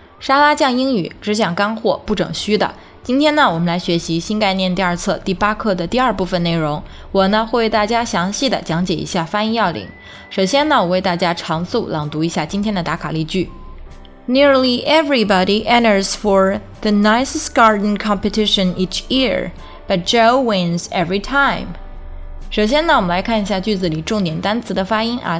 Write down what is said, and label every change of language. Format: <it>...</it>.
<zh>沙拉酱英语只讲干货，不整虚的。今天呢，我们来学习新概念第二册第八课的第二部分内容。我呢会为大家详细的讲解一下发音要领。首先呢，我为大家长速朗读一下今天的打卡例句。</zh> <en>Nearly everybody enters for the nicest garden competition each year, but Joe wins every time.</en> <zh>首先呢，我们来看一下句子里重点单词的发音啊。</zh>